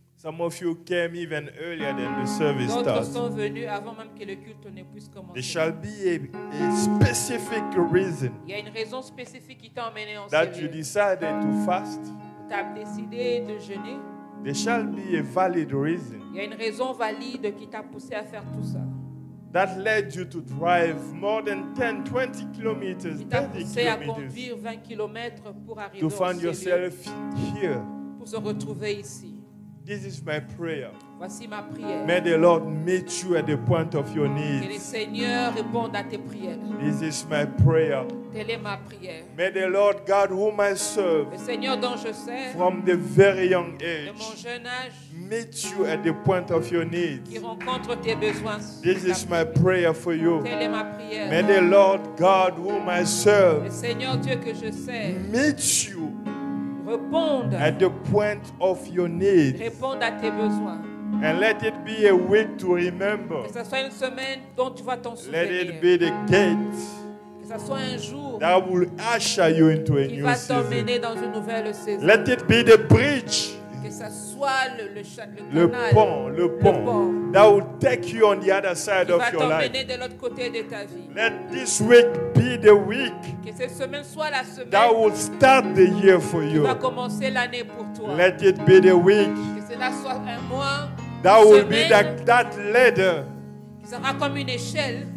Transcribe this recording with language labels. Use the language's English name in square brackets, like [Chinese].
[English] Some of you came even earlier than the service starts. [French] D'autres sont venus avant même que le culte ne puisse commencer. [English] There shall be a specific reason. [French] Il y a une raison spécifique qui t'a emmené en ces lieux. [English] That you decided to fast. [French] T'as décidé de jeûner. [English] There shall be a valid reason. [French] Il y a une raison valide qui t'a poussé à faire tout ça. [English] That led you to drive more than 10, 20 kilometers. [French] Qui t'a poussé à conduire 20 kilomètres pour arriver [English] to find yourself here. [French] Pour se retrouver ici. [English] This is my prayer. [French] Voici ma prière. [English] May the Lord meet you at the point of your needs. [French] Que le Seigneur réponde à tes prières. [English] This is my prayer. [French] Telle est ma prière. [English] May the Lord God whom I serve. [French] Le Seigneur dont je sers. [English] From the very young age. [French] De mon jeune âge. [English] Meet you at the point of your needs. [French] Qui rencontre tes besoins. [English] This is my prayer for you. [French] Telle est ma prière. [English] May the Lord God whom I serve. [French] Le Seigneur Dieu que je sers. [English] Meet you. [French] Réponde. [English] At the point of your needs. [French] Réponde à tes besoins. [English] And let it be a week to remember. [French] Que ça soit une semaine dont tu vas t'en souvenir. [English] Let it be the gate. [French] Que ça soit un jour. [English] That will usher you into a new season. [French] Qui va t'emmener dans une nouvelle saison. [English] Let it be the bridge. [French] Que ça soit le canal. Le pont. [English] That will take you on the other side of your life. [French] Qui va t'emmener de l'autre côté de ta vie. [English] Let this week be the week. [French] Que cette semaine soit la semaine. [English] That will start the year for you. [French] Qui va commencer l'année pour toi. [English] Let it be the week. [French] Que cela soit un mois. [English] That will be that ladder. [French] Qui sera comme une échelle.